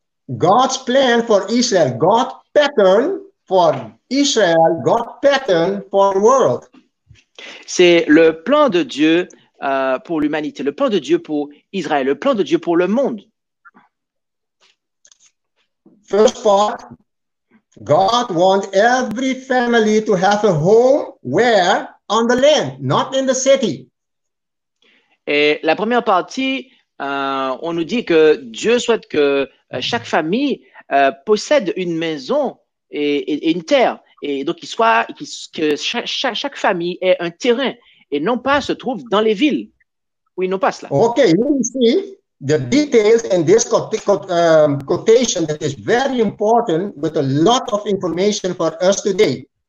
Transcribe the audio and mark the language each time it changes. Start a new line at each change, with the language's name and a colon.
English: God's plan for Israel, God's pattern for Israel, God's pattern for the world.
French: C'est le plan de Dieu pour l'humanité, le plan de Dieu pour Israël, le plan de Dieu pour le monde.
English: First part, God wants every family to have a home where? On the land, not in the city.
French: Et la première partie, on nous dit que Dieu souhaite que chaque famille possède une maison et une terre. Et donc, que chaque famille ait un terrain et non pas se trouve dans les villes où ils n'ont pas cela.
English: Okay, you see the details in this quotation that is very important with a lot of information for us today.